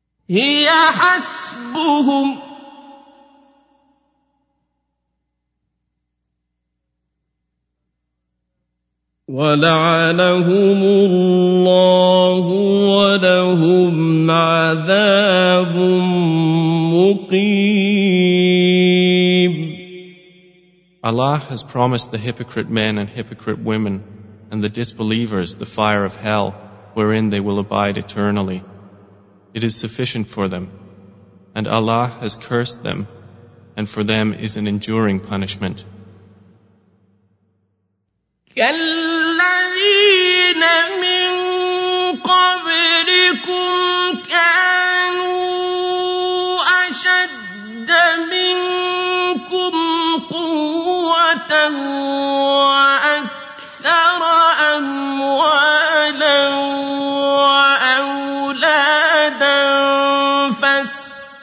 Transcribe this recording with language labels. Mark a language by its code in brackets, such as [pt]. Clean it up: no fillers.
[ar] هي حسبهم وَلَعَنَهُمُ اللَّهُ وَلَهُمْ عَذَابٌ مُقِيمٌ. [en] Allah has promised the hypocrite men and hypocrite women and the disbelievers the fire of hell wherein they will abide eternally. It is sufficient for them. And Allah has cursed them, and for them is an enduring punishment. [ar] الذين من قبلكم كانوا أشد منكم قوة وأكثر أموالا وأولادا فاستمتعوا